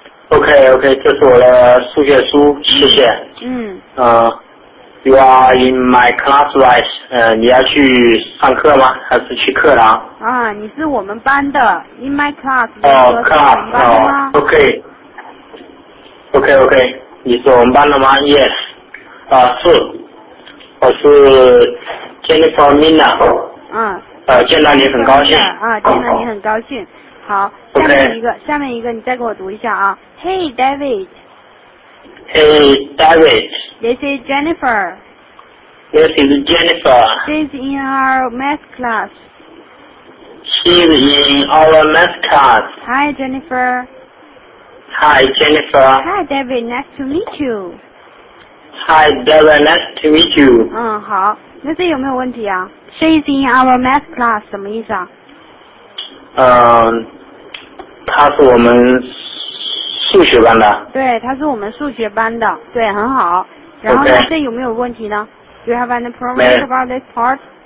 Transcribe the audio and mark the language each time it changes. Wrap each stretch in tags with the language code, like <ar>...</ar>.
<zh>OK, 这是我的数学书，谢谢。嗯。</zh> <en>You are in my class, right?</en> <zh>你要去上课吗？还是去课堂？啊，你是我们班的 ， in my class。哦 ，class， 哦 ，OK， 你是我们班的吗 ？Yes， 啊是，我是 Jennifer Mina。嗯。见到你很高兴。啊，见到你很高兴。好，</zh> <en>okay.</en> <zh>下面一个，你再给我读一下啊。</zh> <en>Hey David。 Hey David. This is Jennifer. This is Jennifer. She's in our math class. She's in our math class. Hi Jennifer. Hi Jennifer. Hi David, nice to meet you. Hi David, nice to meet you.</en> <zh>嗯，好，那这有没有问题啊？ She's in our math class 什么意思啊？她是我们数学班的，对，他是我们数学班的，对，很好。然后呢，</zh> <en>okay.</en> <zh>这有没有问题呢？</zh> <en>Do you have any problems about this part?</en>